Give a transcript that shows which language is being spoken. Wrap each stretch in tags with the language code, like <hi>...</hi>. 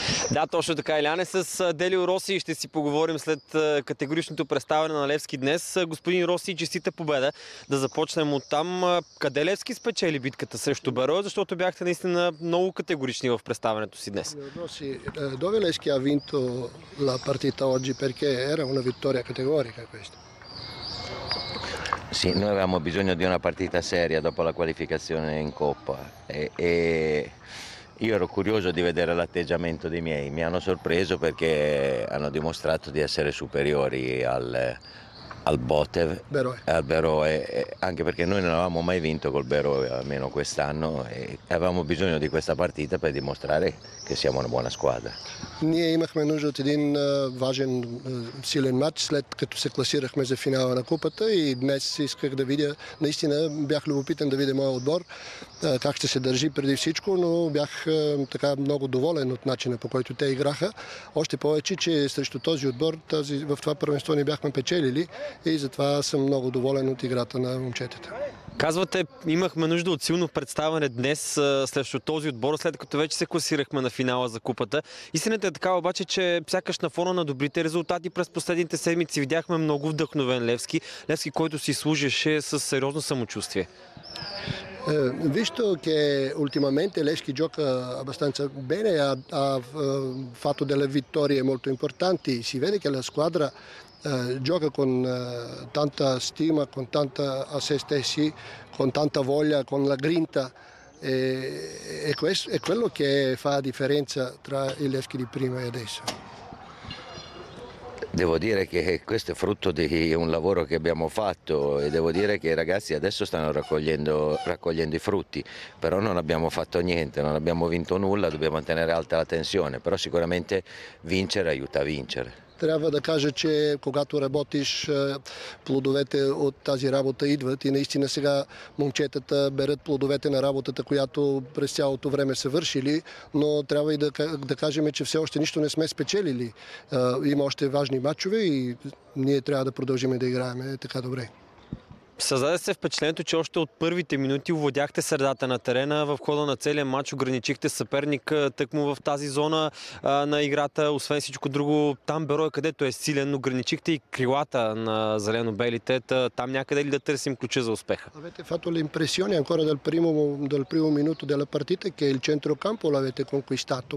<bg>Да, точно така, Иляне, с Делио Роси ще си поговорим след категоричното представяне на Левски днес. Господин Роси, честита победа. Да започнем от там. Къде Левски спечели битката срещу Берое, защото бяхте наистина много категорични в представянето си днес?</bg> <it>Роси, дове Левски ha vinto la partita oggi perché era una vittoria categorica questa? Sì, noi avevamo bisogno di una partita seria dopo la qualificazione in Coppa e io ero curioso di vedere l'atteggiamento dei miei. Mi hanno sorpreso perché hanno dimostrato di essere superiori al Botev, al Berøe, anche perché noi non avevamo mai vinto col Berøe, almeno quest'anno, e avevamo bisogno di questa partita per dimostrare che siamo una buona squadra.</it> <bg>Ние имахме нужда от един важен, силен матч, след като се класирахме за финала на купата и днес исках да видя, наистина бях любопитен да видя моя отбор, как ще се държи преди всичко, но бях така много доволен от начина по който те играха. Още повече, че срещу този отбор в това първенство ни бяхме печелили и затова съм много доволен от играта на момчетата. Казвате, имахме нужда от силно представяне днес срещу този отбор, след като вече се класирахме на финала за купата. Истината е така обаче, че сякаш на фона на добрите резултати през последните седмици видяхме много вдъхновен Левски. Левски, който си служеше със сериозно самочувствие.</bg> <it>Visto che ultimamente Levski gioca abbastanza bene, ha fatto delle vittorie molto importanti, si vede che la squadra gioca con tanta stima, con tanta a se stessi, con tanta voglia, con la grinta e questo è quello che fa la differenza tra il Levski di prima e adesso. Devo dire che questo è frutto di un lavoro che abbiamo fatto e devo dire che i ragazzi adesso stanno raccogliendo i frutti, però non abbiamo fatto niente, non abbiamo vinto nulla, dobbiamo tenere alta la tensione, però sicuramente vincere aiuta a vincere.</it> <bg>Трябва да кажа, че когато работиш, плодовете от тази работа идват и наистина сега момчетата берат плодовете на работата, която през цялото време са вършили, но трябва и да кажем, че все още нищо не сме спечелили. Има още важни матчове и ние трябва да продължим да играем така добре. Създаде се впечатлението, че още от първите минути овладяхте средата на терена. В хода на целия матч ограничихте съперника тъкмо в тази зона на играта. Освен всичко друго, там Берое, където е силен, ограничихте и крилата на зелено-белите. Там някъде ли да търсим ключа за успеха?</bg> <it>Avete fatto l'impressione ancora dal primo minuto della partita che il centrocampo l'avete conquistato.</it>